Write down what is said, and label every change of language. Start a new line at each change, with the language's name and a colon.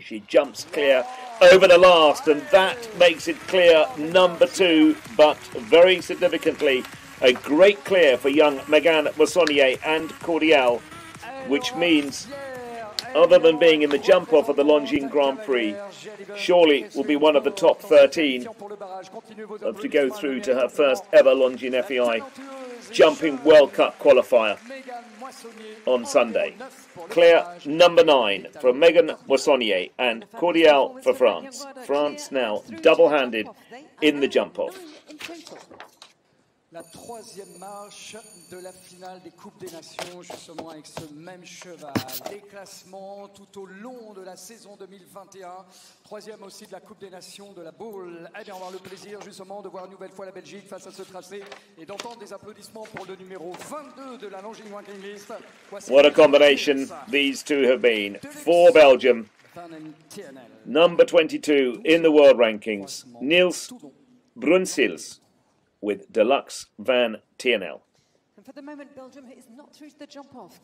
English: She jumps clear over the last, and that makes it clear number two, but very significantly, a great clear for young Megan Moissonnier and Cordiel, which means, other than being in the jump-off of the Longines Grand Prix, surely will be one of the top 13 to go through to her first ever Longines FEI Jumping World Cup qualifier on Sunday. Clear number 9 from Megan Moissonnier and Cordiel for France. France now double-handed in the jump-off.
French: La troisième marche de la finale des Coupes des Nations, justement avec ce même cheval. Des classements tout au long de la saison 2021. Troisième aussi de la Coupe des Nations de la Boule. Eh bien, on va avoir le plaisir justement de voir une nouvelle fois la Belgique face à ce tracé et d'entendre des applaudissements pour le numéro 22 de la Longines Grand Prix.
English: What a combination these two have been for Belgium. Number 22 in the world rankings, Niels Brunsils, with Deluxe Van TNL. And for the moment, Belgium is not through to the jump-off.